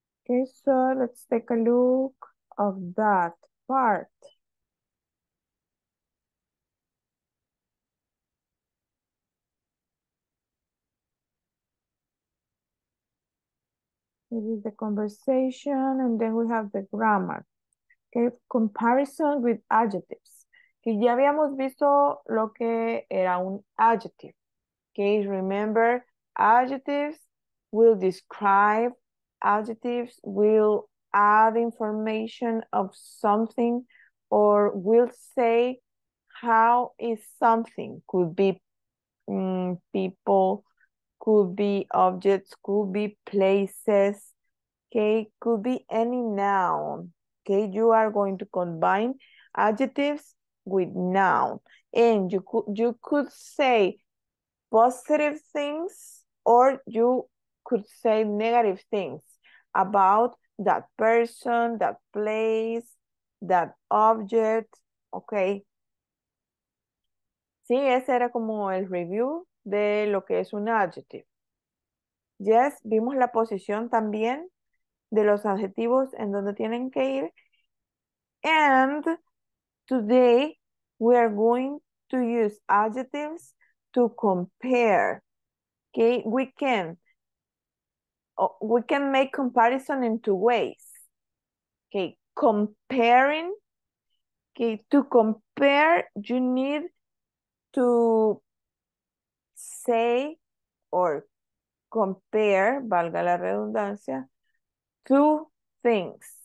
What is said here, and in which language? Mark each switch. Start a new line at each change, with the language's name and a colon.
English: Okay, so let's take a look of that part. This is the conversation, and then we have the grammar. Okay, comparison with adjectives.
Spanish: Que ya habíamos visto lo que era un adjective.
English: Okay, remember, adjectives will describe, adjectives will add information of something or will say how is something. Could be people, could be objects, could be places, okay, could be any noun. Okay, you are going to combine adjectives with noun, and you could say positive things, or you could say negative things about that person, that place, that object, okay?
Spanish: Sí, ese era como el review de lo que es un adjective. Yes, vimos la posición también de los adjetivos en donde tienen que ir.
English: And today we are going to use adjectives to compare. Okay, we can make comparison in two ways. Okay, comparing. Okay, to compare, you need to say or compare,
Spanish: valga la redundancia,
English: two things.